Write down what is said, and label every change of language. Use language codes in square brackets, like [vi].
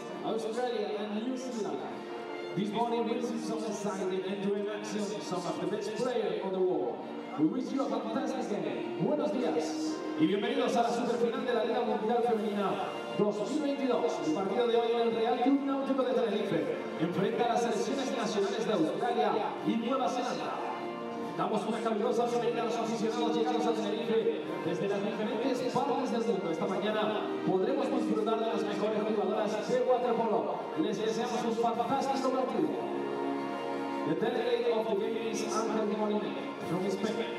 [en] This morning we see some exciting and to imagine some of the best players on the world. We wish you a fantastic game. [es] Buenos días y bienvenidos a la superfinal de la Liga Mundial Femenina 2022. El partido de hoy en el Real Club Náutico de Tenerife enfrenta a las selecciones nacionales de Australia y Nueva Zelanda. Damos una calurosa bienvenida a los aficionados llegados a Tenerife desde las diferentes partes del mundo. Esta mañana podremos disfrutar de las mejores jugadoras de waterpolo. Les deseamos un fantástico partido. [en] The delegate of the game is Angel Molina from Spain.